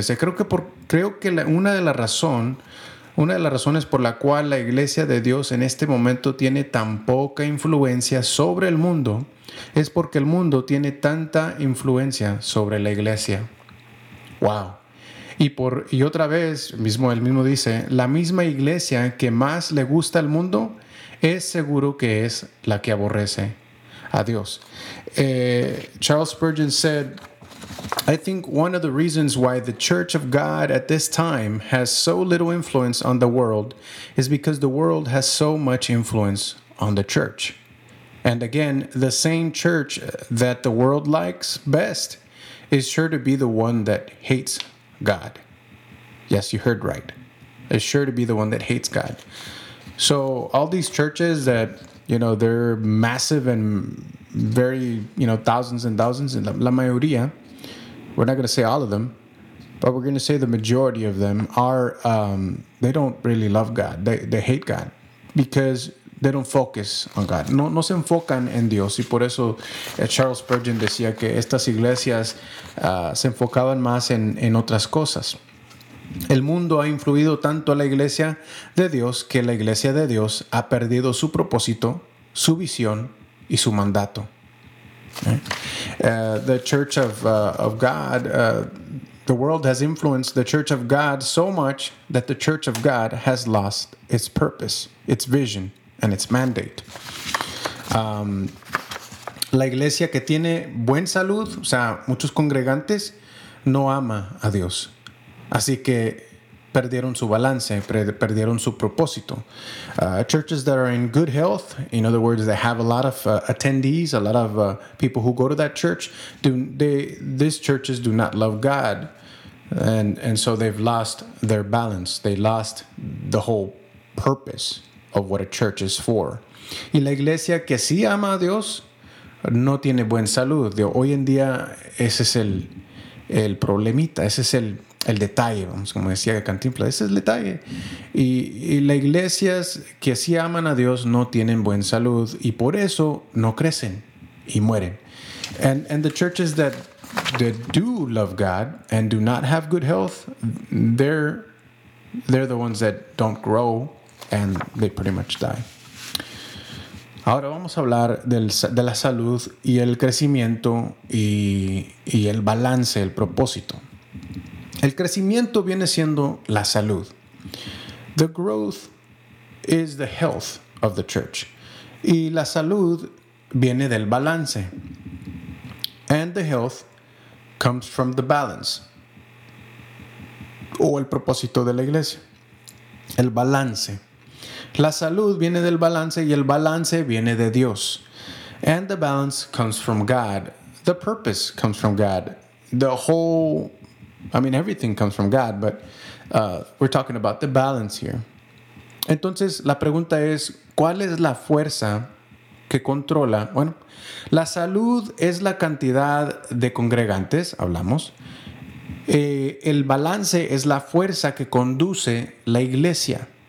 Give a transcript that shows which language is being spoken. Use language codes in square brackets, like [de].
[es] O sea, una de las razones por la cual la iglesia de Dios en este momento tiene tan poca influencia sobre el mundo es porque el mundo tiene tanta influencia sobre la iglesia. ¡Wow! Y otra vez, él mismo dice, la misma iglesia que más le gusta al mundo es seguro que es la que aborrece a Dios. [en] Charles Spurgeon said, I think one of the reasons why the Church of God at this time has so little influence on the world is because the world has so much influence on the church. And again, the same church that the world likes best is sure to be the one that hates God. Yes, you heard right. It's sure to be the one that hates God. So all these churches that, you know, they're massive and very, you know, thousands and thousands, and [es] la mayoría, [en] we're not going to say all of them, but we're going to say the majority of them are, they don't really love God. They hate God because they don't focus on God. [es] No se enfocan en Dios. Y por eso Charles Spurgeon decía que estas iglesias se enfocaban más en otras cosas. El mundo ha influido tanto a la iglesia de Dios que la iglesia de Dios ha perdido su propósito, su visión y su mandato. [en] The Church of God, the world has influenced the Church of God so much that the Church of God has lost its purpose, its vision, and its mandate. [es] La iglesia que tiene buen salud, o sea, muchos congregantes, no ama a Dios. Así que perdieron su balance, perdieron su propósito. [en] Churches that are in good health, in other words, they have a lot of attendees, a lot of people who go to that church, these churches do not love God. And so they've lost their balance. They lost the whole purpose of what a church is for. [es] Y la iglesia que sí ama a Dios no tiene buen salud. Hoy en día ese es el problemita, ese es el detalle, vamos, como decía Cantinflas, ese es el detalle. Y las iglesias que sí aman a Dios no tienen buena salud y por eso no crecen y mueren. [en] And the churches that do love God and do not have good health, they're the ones that don't grow and they pretty much die. [es] Ahora vamos a hablar de la salud y el crecimiento y el balance, el propósito. El crecimiento viene siendo la salud. [en] The growth is the health of the church. [es] Y la salud viene del balance. [en] And the health comes from the balance. [es] O el propósito de la iglesia. El balance. La salud viene del balance y el balance viene de Dios. [en] And the balance comes from God. The purpose comes from God. The whole, I mean, everything comes from God, but we're talking about the balance here. [es] Entonces, la pregunta es, ¿cuál es la fuerza que controla? Bueno, la salud es la cantidad de congregantes, hablamos. El balance es la fuerza que conduce la iglesia.